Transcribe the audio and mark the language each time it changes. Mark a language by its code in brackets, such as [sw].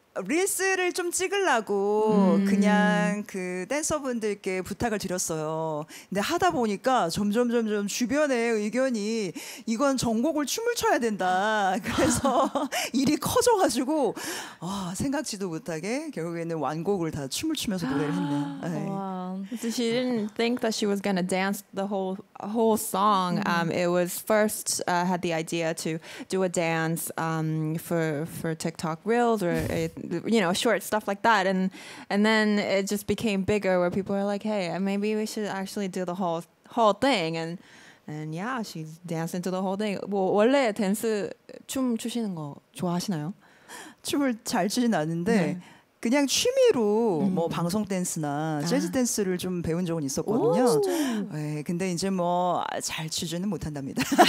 [ko] 릴스를 좀 찍으려고 그냥 그 댄서분들께 부탁을 드렸어요. 근데 하다 보니까 점점 주변의 의견이 이건 전곡을 춤을 춰야 된다. 그래서 일이 커져가지고 와, 생각지도 못하게 결국에는 완곡을 다 춤을 추면서 노래를 했네. [en] So she didn't think that she was gonna dance the whole song. It was first had the idea to do a dance for TikTok reels or you know, short stuff like that, and then it just became bigger where people are like, hey, maybe we should actually do the whole thing, and yeah, she's dancing to the whole thing. [ko] 뭐 원래 댄스 춤 추시는 거 좋아하시나요? 춤을 잘 추진 않는데 그냥 취미로 뭐 방송 댄스나 재즈 댄스를 좀 배운 적은 있었거든요. 오, 네, 근데 이제 뭐 잘 추지는 못한답니다.